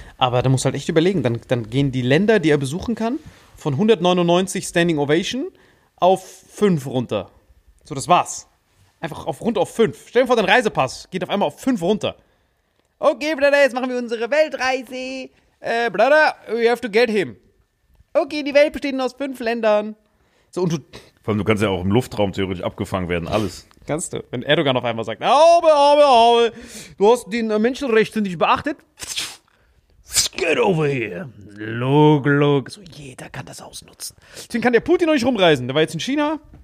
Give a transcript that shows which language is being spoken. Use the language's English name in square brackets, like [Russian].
[German] Aber da musst du halt echt überlegen, dann gehen die Länder, die er besuchen kann, von 199 Standing Ovation auf 5 runter. So, das war's. Einfach auf 5. Stell dir vor, dein Reisepass geht auf einmal auf 5 runter. Okay, Bruder, jetzt machen wir unsere Weltreise. Bruder, [English] we have to get him. [German] Okay, die Welt besteht nur aus 5 Ländern. So, und du. Vor allem, du kannst ja auch im Luftraum theoretisch abgefangen werden, alles. Kannst du. Wenn Erdogan auf einmal sagt: Aube, du hast den Menschenrechte nicht beachtet. [English] Get over here. Look. [German] So, jeder kann das ausnutzen. Deswegen kann der Putin noch nicht rumreisen. Der war jetzt in China.